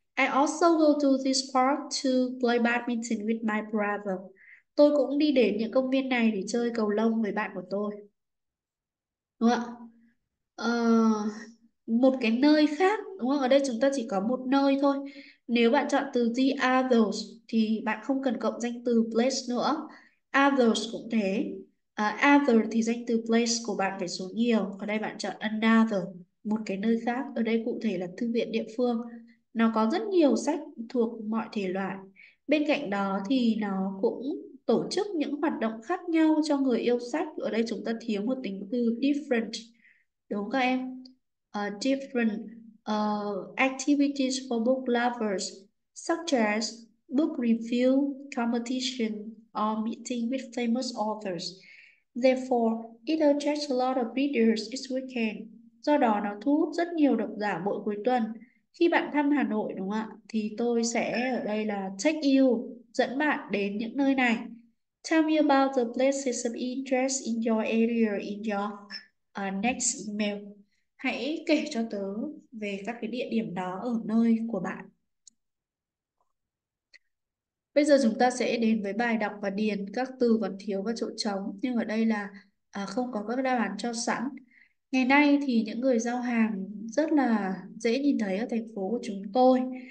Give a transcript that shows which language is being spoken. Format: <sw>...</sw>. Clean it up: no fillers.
<en>I also go to this park to play badminton with my brother.</en> <vi>Tôi cũng đi đến những công viên này để chơi cầu lông với bạn của tôi. Đúng không ạ? Một cái nơi khác, đúng không? Ở đây chúng ta chỉ có một nơi thôi. Nếu bạn chọn từ the others thì bạn không cần cộng danh từ place nữa. Others cũng thế. Other thì danh từ place của bạn phải xuống nhiều. Ở đây bạn chọn another, một cái nơi khác. Ở đây cụ thể là thư viện địa phương. Nó có rất nhiều sách thuộc mọi thể loại. Bên cạnh đó thì nó cũng tổ chức những hoạt động khác nhau cho người yêu sách. Ở đây chúng ta thiếu một tính từ different. Đúng không các em?</vi> <en>Different activities for book lovers, such as book review, competition, or meeting with famous authors. Therefore, it attracts a lot of readers this weekend.</en> <vi>Do đó nó thu hút rất nhiều độc giả mỗi cuối tuần. Khi bạn thăm Hà Nội đúng không ạ? Thì tôi sẽ ở đây là take you, dẫn bạn đến những nơi này.</vi> <en>Tell me about the places of interest in your area in your next email.</en> <vi>Hãy kể cho tớ về các cái địa điểm đó ở nơi của bạn. Bây giờ chúng ta sẽ đến với bài đọc và điền các từ còn thiếu và chỗ trống, nhưng ở đây là không có các đáp án cho sẵn. Ngày nay thì những người giao hàng rất là dễ nhìn thấy ở thành phố của chúng tôi.</vi>